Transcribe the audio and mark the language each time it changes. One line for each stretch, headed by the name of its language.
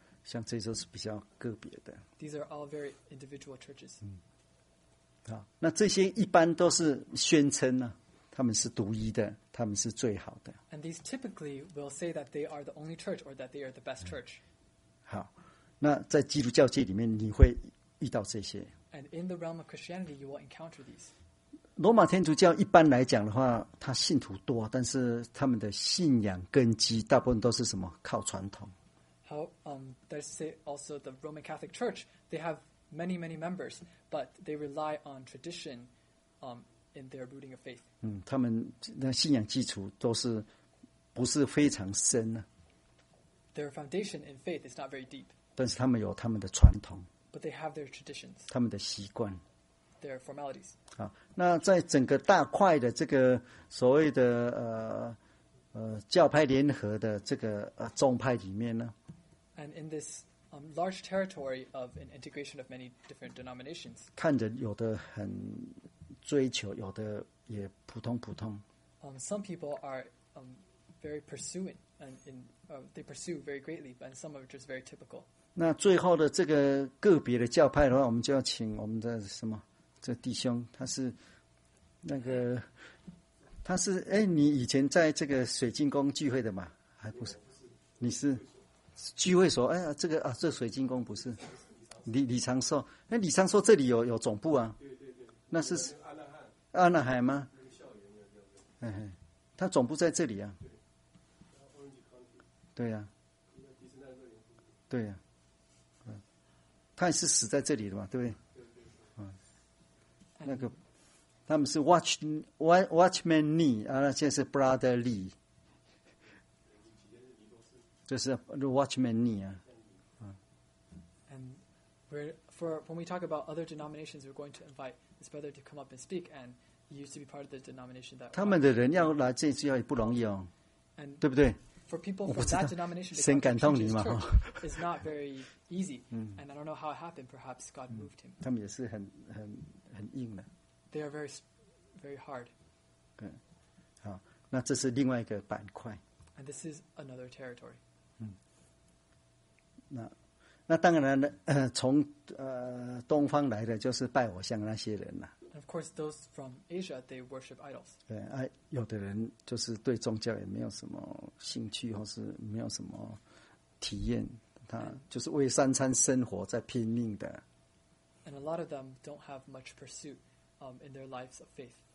Chinese: 像这些都是比较个别的。
English: These are all very individual churches.
Chinese: 那这些一般都是宣称呢。他们是独一的，他们是最好的。
English: And these typically will say that they are the only church or that they are the best church.
Chinese: 好，那在基督教界里面你会遇到这些。
English: And in the realm of Christianity, you will encounter these.
Chinese: 罗马天主教一般来讲的话，他信徒多，但是他们的信仰根基大部分都是什么？靠传统。
English: How, that is to say also the Roman Catholic Church, they have many, many members, but they rely on tradition, in their rooting of faith.
Chinese: 他们那信仰基础都是不是非常深呢、啊、
English: ？Their foundation in faith is not very deep.
Chinese: 但是他们有他们的传统。
English: But they have their traditions.
Chinese: 他们的习惯。
English: Their formalities.
Chinese: 好，那在整个大块的这个所谓的教派联合的这个宗派里面呢
English: ？And in this large territory of an integration of many different denominations.
Chinese: 看着有的很。追求有的也普通普通。
English: Some people are very pursuing and in they pursue very greatly, but some are just very typical.
Chinese: 那最后的这个个别的教派的话，我们就要请我们的什么这弟兄，他是那个他是你以前在这个水晶宫聚会的吗？还不是？你是聚会所这个这水晶宫不是李长寿？李长寿这里有总部啊？那是安纳海吗？他总部在这里啊。对呀、啊，对呀、啊，他也是死在这里的嘛，对不对？那个他们是 Watchman Lee 啊，那现在是 Brother Lee， 就是 Watchman Lee 啊。
English: And when we talk about other denominations, we're going to invite. His brother to come up and speak, and he used to be part of the denomination that.
Chinese: 他们的人要来这次要也不容易哦，对不对？
English: For people from that denomination, to come to his church is not very easy. And I don't know how it happened. Perhaps God moved him.
Chinese: 他们也是很硬的。
English: They are very, very hard.
Chinese: 好，那这是另外一个板块。
English: And this is another territory.
Chinese: 那当然从东方来的就是拜偶像那些人呐、啊。
English: Of course, those from Asia they worship idols.
Chinese: 对、啊、有的人就是对宗教也没有什么兴趣，或是没有什么体验，他就是为三餐生活在拼命的。
English: And a lot of them don't have much pursuit, in their lives of faith.